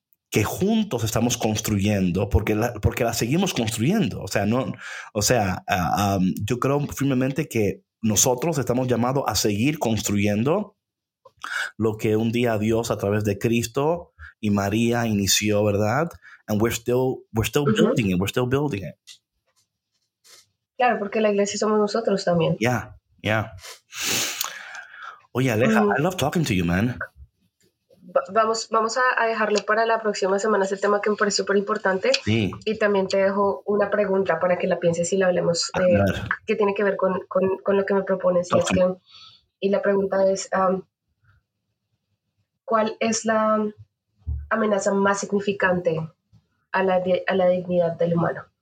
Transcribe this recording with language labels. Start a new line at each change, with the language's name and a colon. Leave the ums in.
Spanish: que juntos estamos construyendo, porque la, porque la seguimos construyendo. O sea, no, o sea uh, um, yo creo firmemente que nosotros estamos llamados a seguir construyendo lo que un día Dios a través de Cristo y María inició, ¿verdad?
English: And we're still, we're still uh -huh. building it, we're still building it.
Spanish: Claro, porque la iglesia somos nosotros también.
English: Yeah, yeah.
Spanish: Oye,
English: Aleja, um, I love talking to you, man
Spanish: vamos, vamos a, dejarlo para la próxima semana, es el tema que me parece súper importante. Sí. Y también te dejo una pregunta para que la pienses y la hablemos, eh, que tiene que ver con, con, con lo que me propones. Y, es que, y la pregunta es, um, ¿cuál es la amenaza más significante a la, a la dignidad del humano